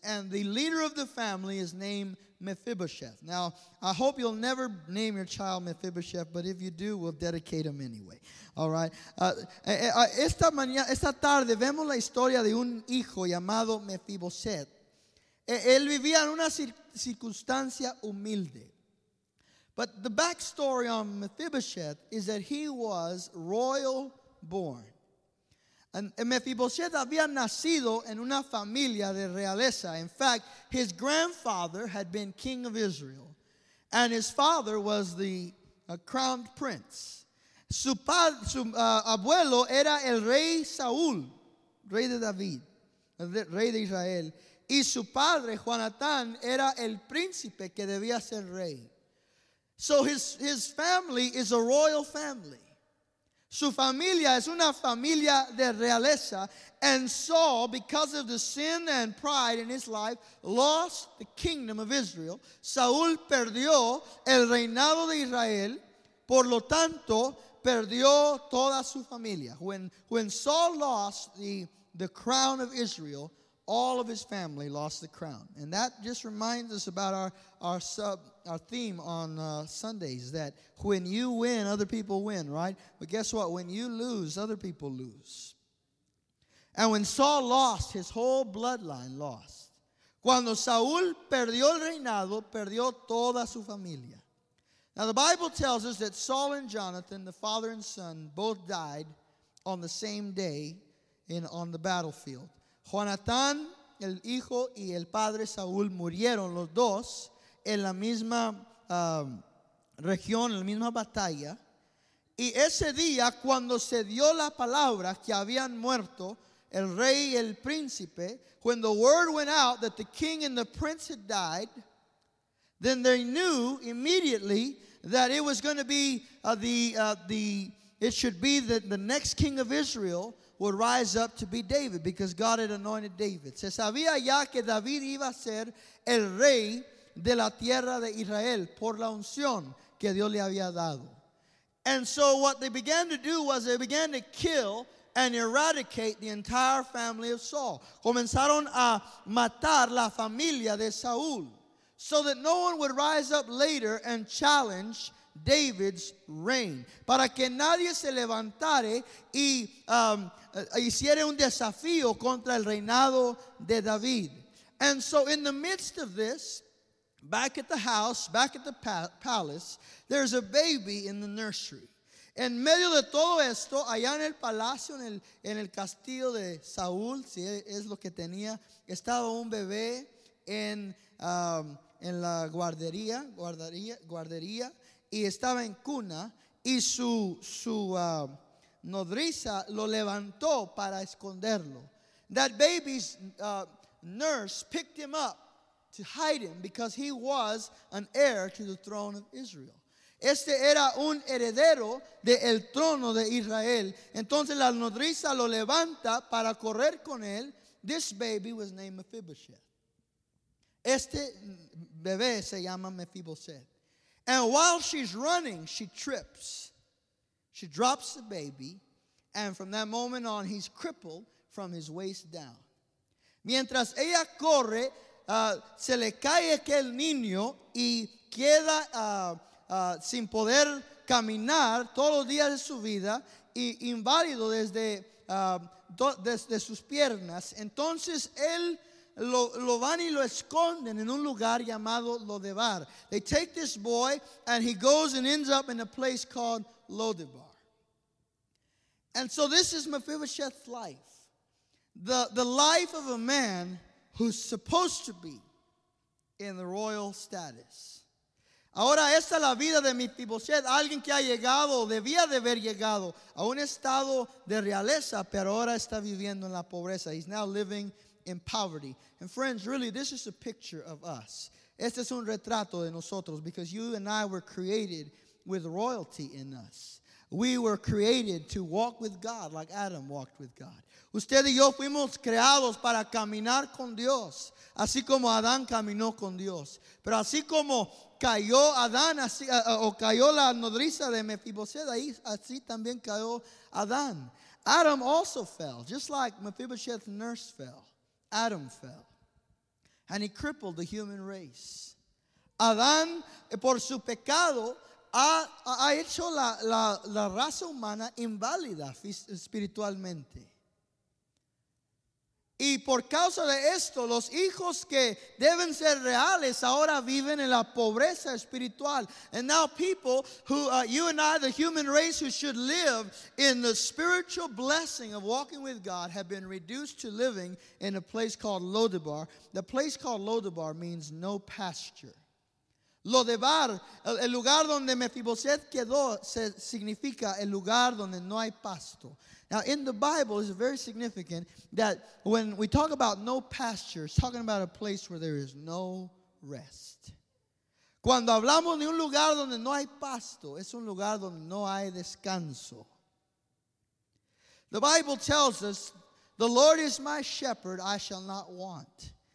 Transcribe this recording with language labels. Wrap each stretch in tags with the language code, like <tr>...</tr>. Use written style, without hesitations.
<en>And the leader of the family is named Mephibosheth. Now, I hope you'll never name your child Mephibosheth, but if you do, we'll dedicate him anyway. All right.</en> <es>Esta tarde vemos la historia de un hijo llamado Mephibosheth. Él vivía en una circunstancia humilde.</es> <en>But the backstory on Mephibosheth is that he was royal born.</en> <es>And Mephibosheth había nacido en una familia de realeza.</es> <en>In fact, his grandfather had been king of Israel, and his father was the crowned prince.</en> <es>Su abuelo era el rey Saúl, rey de David, rey de Israel. Y su padre, Jonatán, era el príncipe que debía ser rey.</es> <en>So his family is a royal family.</en> <es>Su familia es una familia de realeza.</es> <en>And Saul, because of the sin and pride in his life, lost the kingdom of Israel.</en> <es>Saúl perdió el reinado de Israel. Por lo tanto, perdió toda su familia.</es> <en>When Saul lost the crown of Israel, all of his family lost the crown. And that just reminds us about our theme on Sundays, that when you win, other people win, right? But guess what? When you lose, other people lose. And when Saul lost, his whole bloodline lost.</en> <es>Cuando Saúl perdió el reinado, perdió toda su familia.</es> <en>Now the Bible tells us that Saul and Jonathan, the father and son, both died on the same day on the battlefield.</en> <es>Jonatán, el hijo, y el padre Saúl murieron los dos en la misma región, en la misma batalla. Y ese día, cuando se dio la palabra que habían muerto el rey y el príncipe,</es> <en>when the word went out that the king and the prince had died, then they knew immediately that it was going to be the next king of Israel would rise up to be David, because God had anointed David.</en> <es>Se sabía ya que David iba a ser el rey de la tierra de Israel por la unción que Dios le había dado.</es> <en>And so what they began to do was they began to kill and eradicate the entire family of Saul.</en> <es>Comenzaron a matar la familia de Saúl,</es> <en>so that no one would rise up later and challenge David's reign.</en> <es>Para que nadie se levantare y hiciera un desafío contra el reinado de David.</es> <en>And so in the midst of this, Back at the house, back at the palace, there's a baby in the nursery.</en> <es>En medio de todo esto, allá en el palacio, en el castillo de Saúl, si es lo que tenía, estaba un bebé en la guardería, y estaba en cuna, y su nodriza lo levantó para esconderlo.</es> <en>That baby's nurse picked him up to hide him because he was an heir to the throne of Israel.</en> <es>Este era un heredero del trono de Israel. Entonces la nodriza lo levanta para correr con él.</es> <en>This baby was named Mephibosheth.</en> <es>Este bebé se llama Mephibosheth.</es> <en>And while she's running, she trips. She drops the baby. And from that moment on, he's crippled from his waist down.</en> <es>Mientras ella corre, se le cae aquel niño y queda sin poder caminar todos los días de su vida y inválido desde sus piernas. Entonces él lo van y lo esconden en un lugar llamado Lodebar.</es> <en>They take this boy and he goes and ends up in a place called Lodebar. And so this is Mephibosheth's life. The life of a man who's supposed to be in the royal status.</en> <es>Ahora esta es la vida de Mephibosheth, alguien que ha llegado, debía de haber llegado a un estado de realeza, pero ahora está viviendo en la pobreza.</es> <en>He's now living in poverty. And friends, really, this is a picture of us.</en> <es>Este es un retrato de nosotros,</es> <en>because you and I were created with royalty in us. We were created to walk with God like Adam walked with God.</en> <es>Usted y yo fuimos creados para caminar con Dios, así como Adán caminó con Dios. Pero así como cayó Adán, cayó la nodriza de Mephibosheth, así también cayó Adán.</es> <en>Adam also fell, just like Mephibosheth's nurse fell. Adam fell. And he crippled the human race.</en> <es>Adán, por su pecado, ha hecho la raza humana inválida espiritualmente. Y por causa de esto, los hijos que deben ser reales ahora viven en la pobreza espiritual.</es> <en>And now people who, you and I, the human race who should live in the spiritual blessing of walking with God have been reduced to living in a place called Lodebar. The place called Lodebar means no pasture.</en> <es>Lodebar, el lugar donde Mephibosheth quedó, significa el lugar donde no hay pasto.</es> <en>Now, in the Bible, it's very significant that when we talk about no pasture, it's talking about a place where there is no rest.</en> <es>Cuando hablamos de un lugar donde no hay pasto, es un lugar donde no hay descanso.</es> <en>The Bible tells us, "The Lord is my shepherd, I shall not want.</en>